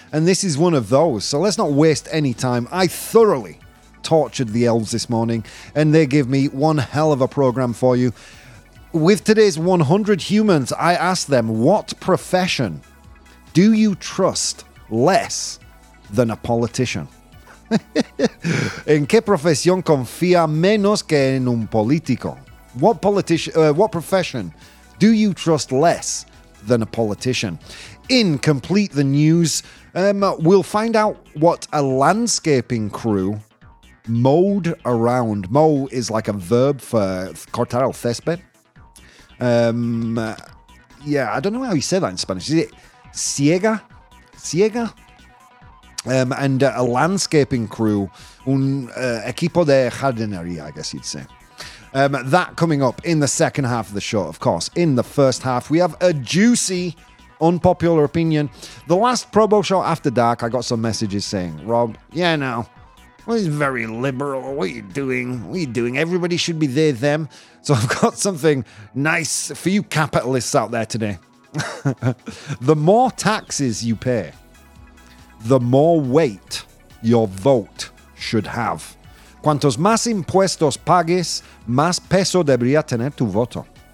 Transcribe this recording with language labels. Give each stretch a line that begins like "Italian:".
English: And this is one of those. So let's not waste any time. I thoroughly tortured the elves this morning, and they give me one hell of a program for you. With today's 100 humans, I asked them, what profession do you trust less than a politician?
Spanish: ¿En qué profesión confía menos que en un político?
English: What profession do you trust less than a politician? In Complete the News, we'll find out what a landscaping crew mowed around. Mow is like a verb for
Spanish: cortar el césped.
English: I don't know how you say that in Spanish. Is it siega? Siega? And a landscaping crew,
Spanish: un equipo de jardinería,
English: I guess you'd say. That coming up in the second half of the show, of course. In the first half, we have a juicy unpopular opinion. The last Probo Show after dark, I got some messages saying, Rob, yeah, no, well, he's very liberal. What are you doing? What are you doing? Everybody should be they, them. So I've got something nice for you capitalists out there today. The more taxes you pay, the more weight your vote should have.
Spanish: Cuantos más impuestos pagues, más peso debería tener tu voto.